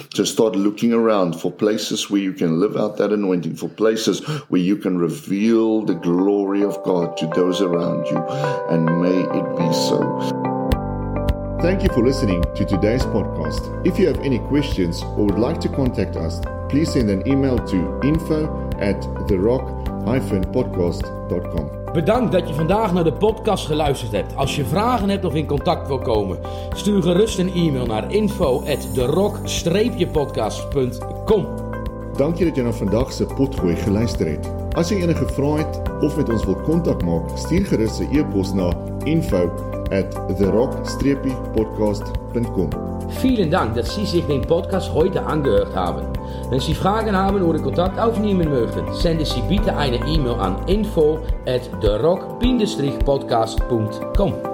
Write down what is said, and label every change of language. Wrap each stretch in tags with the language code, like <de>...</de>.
<en>To start looking around for places where you can live out that anointing, for places where you can reveal the glory of God to those around you. And may it be so. Thank you for listening to today's podcast. If you have any questions or would like to contact us, please send an email to info@therock-podcast.com.</en> <nl>Bedankt dat je vandaag naar de podcast geluisterd hebt. Als je vragen hebt of in contact wil komen, stuur gerust een e-mail naar info@therock-podcast.com.</nl> <af>Dank je dat je naar vandaag se potgooi geluister het. As jy enige vrae het of met ons wil kontak maak, stuur gerus 'n e-pos na info@therock-podcast.com.</af> <de>Vielen Dank, dass Sie sich den Podcast heute angehört haben. Wenn Sie Fragen haben oder Kontakt aufnehmen möchten, senden Sie bitte eine E-Mail an info@therock-podcast.com.</de>